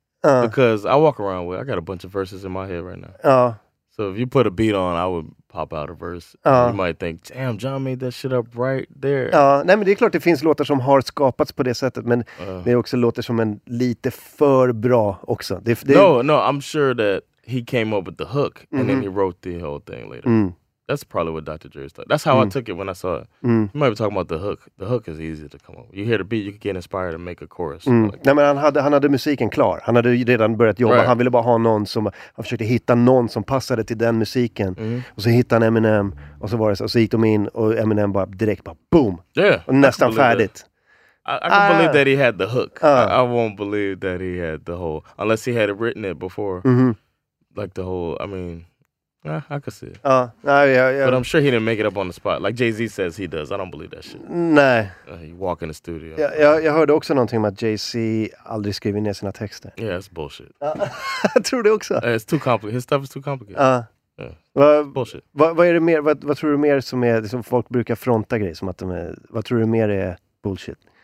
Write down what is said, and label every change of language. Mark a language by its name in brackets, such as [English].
[English] Because I walk around with... I got a bunch of verses in my head right now. So if you put a beat on, I would pop out a verse. You might think, damn, John made that shit up right there. [Swedish] Nej, men det är klart det finns låtar som har skapats på det sättet. Men det är också låter som en lite för bra också. [English] No, I'm sure that... He came up with the hook, and then he wrote the whole thing later. Mm. That's probably what Dr. Dre thought. That's how I took it when I saw it. You might be talking about the hook. The hook is easy to come up with. You hear the beat, you can get inspired and make a chorus. [Swedish] Like nej, men han hade musiken klar. Han hade redan börjat jobba. Right. Han ville bara ha någon som... Han försökte hitta någon som passade till den musiken. Mm. Och så hittade han Eminem. Och så var det så. Och så gick de in, och Eminem bara direkt bara boom. [English] Yeah. [Swedish] Och nästan färdigt. [English] I can believe that he had the hook. I won't believe that he had the whole... Unless he had written it before. Mm-hmm. Like the whole, I mean, I could see it. Yeah. But I'm sure he didn't make it up on the spot. Like Jay-Z says he does. I don't believe that shit. [Swedish] Nej. [English] You walk in the studio. [Swedish] Yeah, jag hörde också någonting om att Jay-Z aldrig skriver ner sina texter. [English] Yeah, that's bullshit. [Swedish] tror du också? [English] It's too complicated. His stuff is too complicated. Bullshit. [Swedish] Vad är det mer? Vad tror du mer som är, som folk brukar fronta grejer som att de är, vad tror du mer är bullshit?